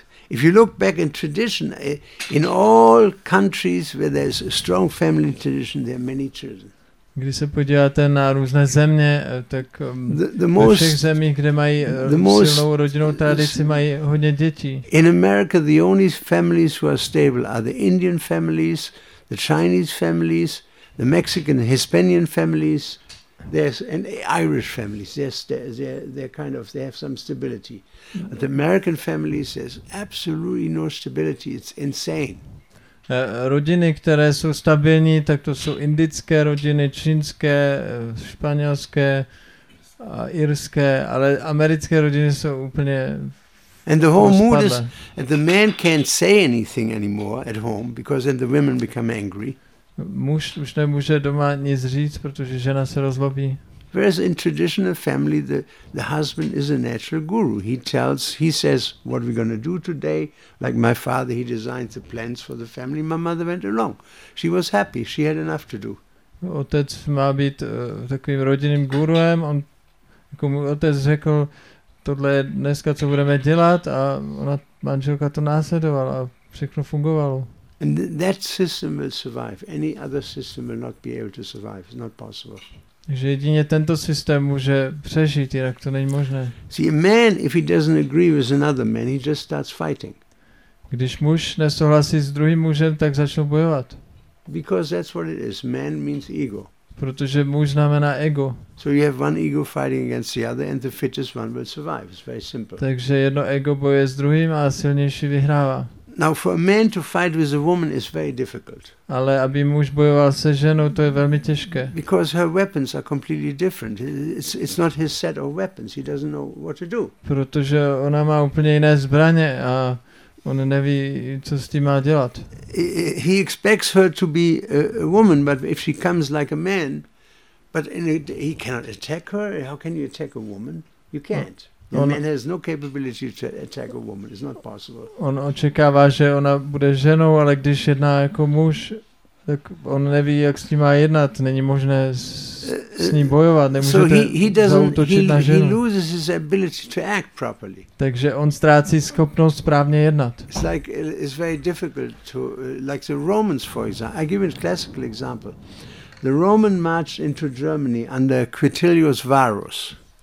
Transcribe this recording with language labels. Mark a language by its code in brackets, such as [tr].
[en] If you look back in tradition, in all countries where there's a strong family tradition, there are many children. [cs] Když se podíváte na různé země, tak ve všech zemích, kde mají silnou rodinnou tradici, mají hodně dětí. [en] In America, the only families who are stable are the Indian families, the Chinese families, the Mexican, Hispanian families. There's an Irish families. They have some stability. But the American families, there's absolutely no stability. It's insane. [cs] rodiny, které jsou stabilní, tak to jsou indické rodiny, čínské, španělské, irské, ale americké rodiny jsou úplně [en] And the whole mood is and the man can't say anything anymore at home because then the women become angry. [cs] Muž už nemůže doma nic říct, protože žena se rozlobí. [en] Whereas in traditional family the husband is a natural guru. He says what we're going to do today. Like my father, he designed the plans for the family. My mother went along. She was happy. She had enough to do. [cs] Otec má být takovým rodinným guruem. On jako mu otec řekl, tohle je dneska, co budeme dělat, a ona, manželka, to následovala a všechno fungovalo. [en] And that system will survive. Any other system will not be able to survive. It's not possible. [cs] Že jedině tento systém může přežít, jinak to není možné. [en] See, a man, if he doesn't agree with another man, he just starts fighting. [cs] Když muž nesouhlasí s druhým mužem, tak začne bojovat. [en] Because that's what it is. Man means ego. [cs] Protože muž znamená ego. [en] So you have one ego fighting against the other, and the fittest one will survive. It's very simple. [cs] Takže jedno ego bojuje s druhým a silnější vyhrává. [en] Now for a man to fight with a woman is very difficult. [cs] Ale aby muž bojoval se ženou, to je velmi těžké. [en] Because her weapons are completely different. It's not his set of weapons. He doesn't know what to do. [cs] Protože ona má úplně jiné zbraně a on neví, co s tím má dělat. [en] He expects her to be a woman, but if she comes like a man, but he cannot attack her. How can you attack a woman? You can't. A man has no capability to attack a woman. It's not possible. [cs] On očekává, že ona bude ženou, ale když jedná jako muž, tak on neví, jak s ní má jednat. Není možné s ní bojovat. Nemůžete zaútočit na ženu. [en] He loses his ability to act properly. [cs] Takže on ztrácí schopnost správně jednat. [en] It's like it's very difficult to like the Romans, for example. I give you a classical example. The Roman marched into Germany under Quintilius Varus.